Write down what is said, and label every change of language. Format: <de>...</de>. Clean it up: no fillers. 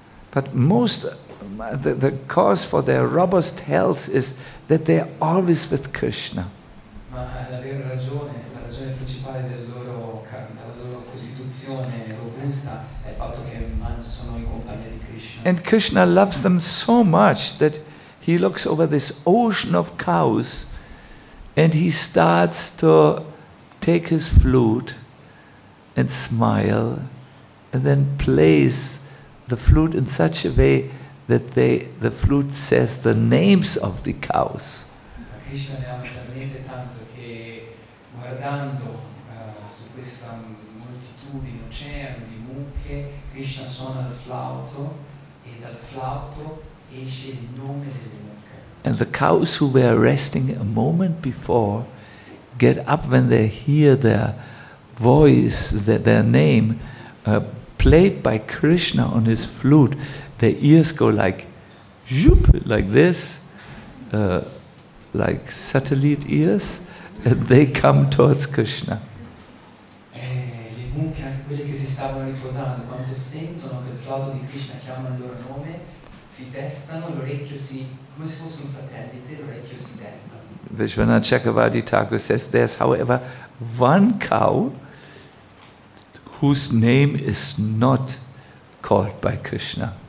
<en>But most, the cause for their robust health is that they are always with Krishna.</en> <it>Ma la vera ragione, la ragione principale della loro costituzione robusta è il fatto che sono in compagnia di Krishna.</it> <en>And Krishna loves them so much that he looks over this ocean of cows and he starts to take his flute and smile and then plays the flute in such a way that the flute says the names of the cows.</en> <it>Ma Krishna ne ama talmente tanto. Guardando su questa moltitudine, oceano di mucche, Krishna suona il flauto e dal flauto esce il nome delle mucche.</it> <en>And the cows who were resting a moment before get up when they hear their voice, their name played by Krishna on his flute. Their ears go like, zoop, like this, like satellite ears. And they come towards Krishna.</en> <it>Le mucche, anche quelle che si stavano riposando, quando sentono che il flauto di Krishna chiama il loro nome, si destano, l'orecchio si, come se fosse un satellite, l'orecchio si desta.</it> <en>Vishwanatha Chakravarti Thakur says, there's however one cow whose name is not called by Krishna.</en>